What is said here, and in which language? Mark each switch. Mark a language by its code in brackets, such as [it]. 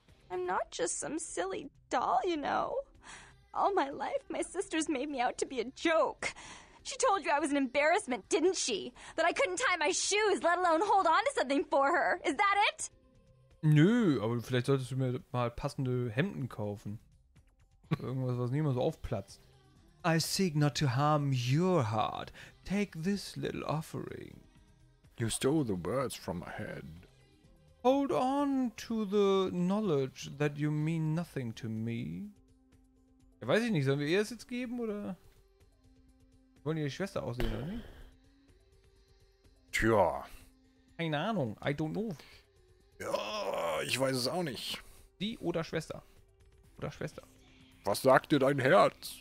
[en] I'm not just some silly doll, you know. All my life, my sister's made me out to be a joke. She told you I was an embarrassment, didn't she? That I couldn't tie my shoes, let alone hold on to something for her. Is that it? [de] Nö, aber vielleicht solltest du mir mal passende Hemden kaufen. Irgendwas, was niemals aufplatzt. [en] I seek not to harm your heart. Take this little offering. You stole the words from my head. Hold on to the knowledge that you mean nothing to me. [de] Ja, weiß ich nicht, sollen wir ihr es jetzt geben, oder? Wollen ihre Schwester aussehen, oder nicht? Tja. Keine Ahnung, [en] I don't know. [de] Ja, ich weiß es auch nicht. Die oder Schwester? Oder Schwester? Was sagt dir dein Herz?